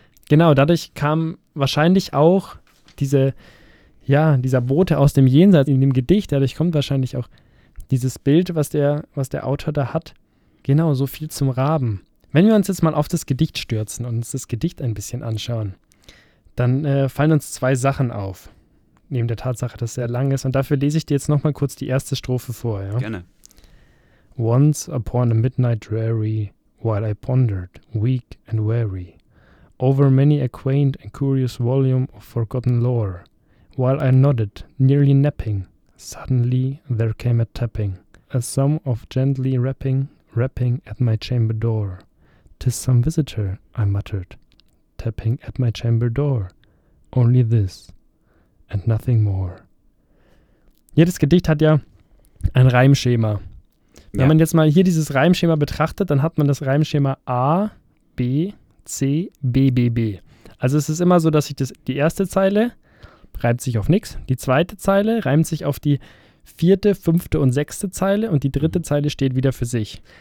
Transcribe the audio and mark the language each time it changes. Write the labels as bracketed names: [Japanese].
[German] Genau, dadurch kam wahrscheinlich auch dieser Bote aus dem Jenseits in dem Gedicht, dadurch kommt wahrscheinlich auch dieses Bild, was der Autor da hat. Genau, so viel zum Raben. Wenn wir uns jetzt mal auf das Gedicht stürzen und uns das Gedicht ein bisschen anschauen. dann fallen uns zwei Sachen auf, neben der Tatsache, dass es sehr lang ist. Und dafür lese ich dir jetzt nochmal kurz die erste Strophe vor. Ja? Gerne. [English] Once upon a midnight dreary, while I pondered, weak and weary, over many a quaint and curious volume of forgotten lore, while I nodded, nearly napping, suddenly there came a tapping, a sound of gently rapping, rapping at my chamber door. 'Tis some visitor, I muttered, tapping at my chamber door. Only this and nothing more. [German] Jedes Gedicht hat ja ein Reimschema. Ja. Wenn man jetzt mal hier dieses Reimschema betrachtet, dann hat man das Reimschema A, B, C, B, B, B. Also es ist immer so, dass sich die erste Zeile reimt sich auf nichts, die zweite Zeile reimt sich auf die vierte, fünfte und sechste Zeile und die dritte Zeile steht wieder für sich.